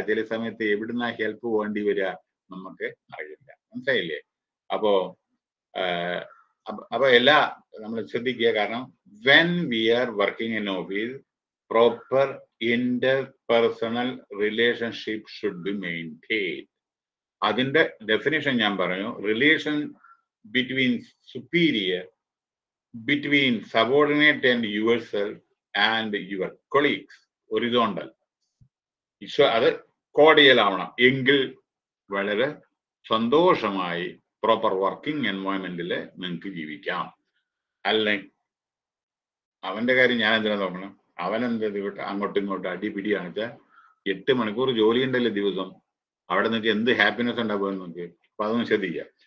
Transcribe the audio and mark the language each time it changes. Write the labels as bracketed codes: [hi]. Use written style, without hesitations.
[ml] ചില സമയത്ത് എവിടുന്ന ഹെൽപ്പ് വേണ്ടി വരിക നമുക്ക് അറിയില്ല. മനസ്സിലായില്ലേ? അപ്പോ അപ്പോ എല്ലാ നമ്മൾ ശ്രദ്ധിക്കുക. [en] കാരണം when we are working in office, proper interpersonal relationship should be maintained. [ml] അതിൻ്റെ ഡെഫിനേഷൻ ഞാൻ പറഞ്ഞു, [en] Relation between superior, between subordinate and yourself and your colleagues, horizontal. [ml] So അത് കോഡിയൽ ആവണം. എങ്കിൽ വളരെ സന്തോഷമായി പ്രോപ്പർ വർക്കിംഗ് എൻവയോൺമെന്റിൽ നിങ്ങൾക്ക് ജീവിക്കാം. അല്ലെങ്കിൽ അവൻ്റെ കാര്യം ഞാൻ എന്തിനാ നോക്കണം, അവൻ എന്താ ഇവിടെ അങ്ങോട്ടും ഇങ്ങോട്ടും അടിപിടി കാണിച്ചാൽ 8 മണിക്കൂർ ജോലി ഉണ്ടല്ലേ ദിവസം, അവിടെ നിങ്ങൾക്ക് എന്ത് ഹാപ്പിനെസ് ഉണ്ടാകും നിങ്ങൾക്ക്. അപ്പൊ അതൊന്ന് ശ്രദ്ധിക്കാം.